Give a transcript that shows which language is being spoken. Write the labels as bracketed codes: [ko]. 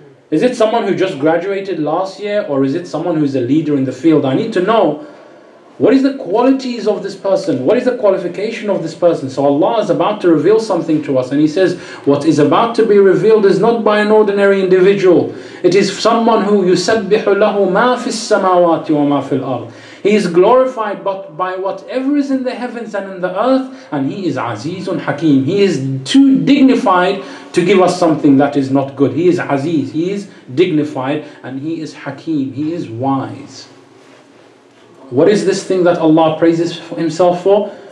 [en] Is it someone who just graduated last year, or is it someone who's a leader in the field? I need to know, what is the qualities of this person? What is the qualification of this person? So Allah is about to reveal something to us. And he says, what is about to be revealed is not by an ordinary individual. It is someone who [ar] يُسَبِّحُ لَهُ مَا فِي السَّمَاوَاتِ وَمَا فِي الْأَرْضِ. [en] He is glorified by whatever is in the heavens and in the earth, and he is Azizun Hakim. He is too dignified to give us something that is not good. He is Aziz, he is dignified, and he is Hakim, he is wise. What is this thing that Allah praises himself for?